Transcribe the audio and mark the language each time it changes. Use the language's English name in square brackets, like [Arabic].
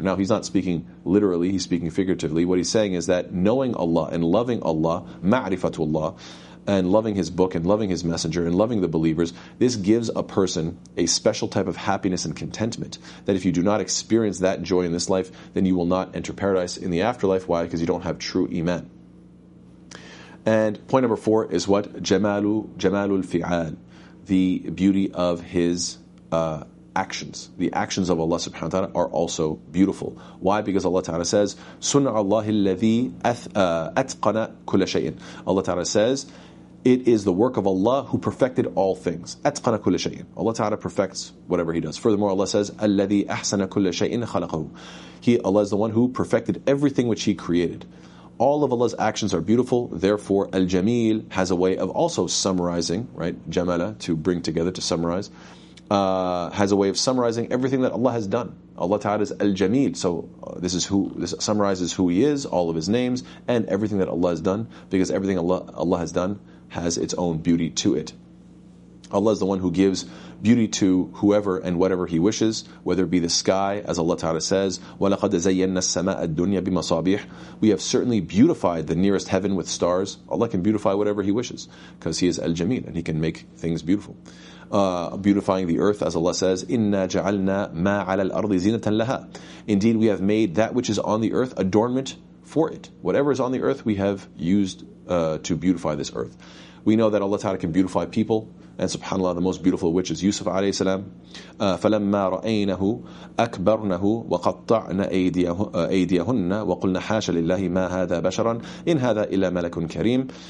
[English] Now, he's not speaking literally, he's speaking figuratively. What he's saying is that knowing Allah and loving Allah, ma'rifatullah, and loving His book and loving His messenger and loving the believers, this gives a person a special type of happiness and contentment, that if you do not experience that joy in this life, then you will not enter paradise in the afterlife. Why? Because you don't have true iman. And point number four is what? Jamalul fi'al, the beauty of his actions. The actions of Allah subhanahu wa ta'ala are also beautiful. Why? Because Allah ta'ala says, [Arabic] سُنَّ اللَّهِ الَّذِي أَتْقَنَ كُلَّ شَيْءٍ. [English] Allah ta'ala says, it is the work of Allah who perfected all things. [Arabic] أَتْقَنَ كُلَّ شَيْءٍ. [English] Allah ta'ala perfects whatever He does. Furthermore, Allah says, [Arabic] الَّذِي أَحْسَنَ كُلَّ شَيْءٍ خَلَقَهُ. [English] Allah is the one who perfected everything which He created. All of Allah's actions are beautiful, therefore Al-Jamil has a way of also summarizing, right, Jamala, to bring together, to summarize, has a way of summarizing everything that Allah has done. Allah Ta'ala is Al-Jamil, so this summarizes who He is, all of His names, and everything that Allah has done, because everything Allah has done has its own beauty to it. Allah is the one who gives beauty to whoever and whatever He wishes, whether it be the sky, as Allah Ta'ala says, [Arabic] وَلَقَدْ زَيَّنَّا السَّمَاءَ الدُّنْيَا بِمَصَابِيحِ. [English] We have certainly beautified the nearest heaven with stars. Allah can beautify whatever He wishes, because He is Al-Jamil, and He can make things beautiful. Beautifying the earth, as Allah says, [Arabic] إِنَّا جَعَلْنَا مَا عَلَى الْأَرْضِ زِينَةً لَهَا. [English] Indeed, we have made that which is on the earth adornment for it. Whatever is on the earth, we have used to beautify this earth. We know that Allah Ta'ala can beautify people. And subhanAllah, the most beautiful of which is Yusuf alayhi salam. [Arabic] فَلَمَّا رَأَيْنَهُ أَكْبَرْنَهُ وَقَطَّعْنَ أَيْدِيَهُنَّ وَقُلْنَا حَاشَ لِلَّهِ مَا هَذَا بَشَرًا إِنْ هَذَا إِلَّا مَلَكٌ كَرِيمٌ.